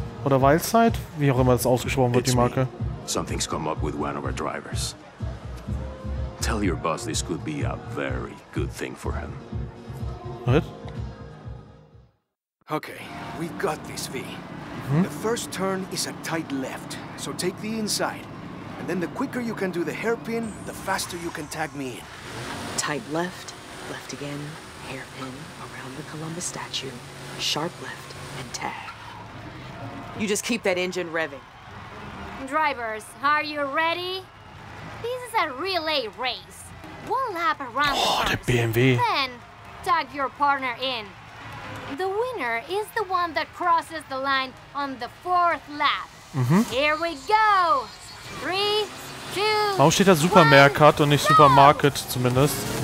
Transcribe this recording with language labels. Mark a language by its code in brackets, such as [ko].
[de] Oder Wildside, wie auch immer das ausgesprochen wird, [en] it's [de] die Marke. [en] Me. Something's come up with one of our drivers. Tell your boss this could be a very good thing for him. What? Okay, we've got this, V. Mm-hmm. The first turn is a tight left, so take the inside. And then the quicker you can do the hairpin, the faster you can tag me in. Tight left, left again, hairpin, around the Columbus statue, sharp left, and tag. You just keep that engine revving. Drivers, are you ready? This is a relay race. One lap around the BMW. Then, tag your partner in. The winner is the one that crosses the line on the fourth lap. Mm-hmm. Here we go. 3, 2. [de] Warum steht da Supermercat und nicht Supermarket zumindest?